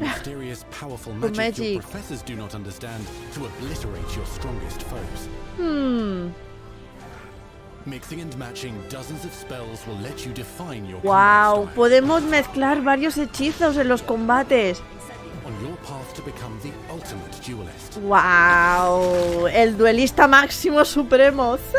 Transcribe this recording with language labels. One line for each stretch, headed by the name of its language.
English: mysterious powerful magic your professors do not understand to obliterate your strongest foes. Mixing and matching dozens of spells will let you define your combat style.
Spanish: Wow, podemos mezclar varios hechizos en los combates.
English: On your path to become the ultimate duelist.
Spanish: Wow, el duelista máximo supremo.